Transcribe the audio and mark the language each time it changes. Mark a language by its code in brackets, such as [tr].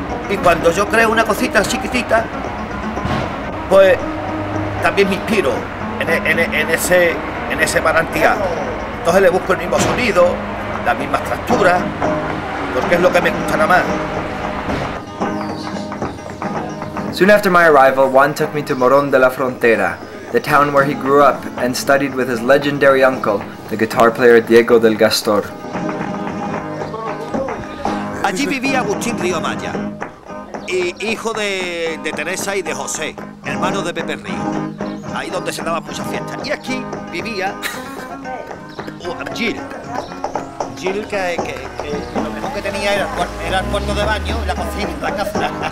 [es] Y cuando yo creo una cosita chiquitita, pues también me inspiro en ese manantial. Entonces le busco el mismo sonido, las mismas texturas, porque es lo que me gusta nada más. [en] Soon after my arrival, Juan took me to Morón de la Frontera, the town where he grew up and studied with his legendary uncle, the guitar player Diego del Gastor. [es] Allí vivía Agustín Río Maya, hijo de Teresa y de José, hermano de Pepe Río, ahí donde se daban muchas fiestas. Y aquí vivía Gil. Gil, que lo mejor que tenía era el cuarto de baño, la cocina, la casa.